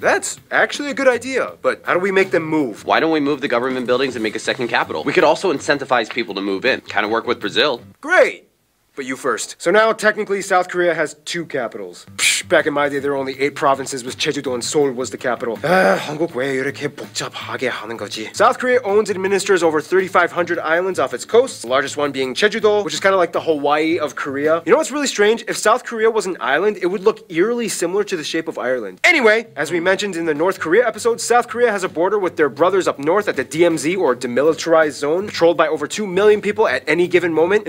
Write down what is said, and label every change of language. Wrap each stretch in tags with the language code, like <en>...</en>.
<en>That's actually a good idea, but how do we make them move? Why don't we move the government buildings and make a second capital? We could also incentivize people to move in. Kind of work with Brazil. Great! But you first. So now, technically, South Korea has 2 capitals. Psh, back in my day, there were only 8 provinces, with Jeju-do and Seoul was the capital.</en> <ko>한국 왜 이렇게 복잡하게 하는 거지?</ko> <en>South Korea owns and administers over 3,500 islands off its coasts, the largest one being Jeju-do, which is kind of like the Hawaii of Korea. You know what's really strange? If South Korea was an island, it would look eerily similar to the shape of Ireland. Anyway, as we mentioned in the North Korea episode, South Korea has a border with their brothers up north at the DMZ, or Demilitarized Zone, patrolled by over 2 million people at any given moment.</en>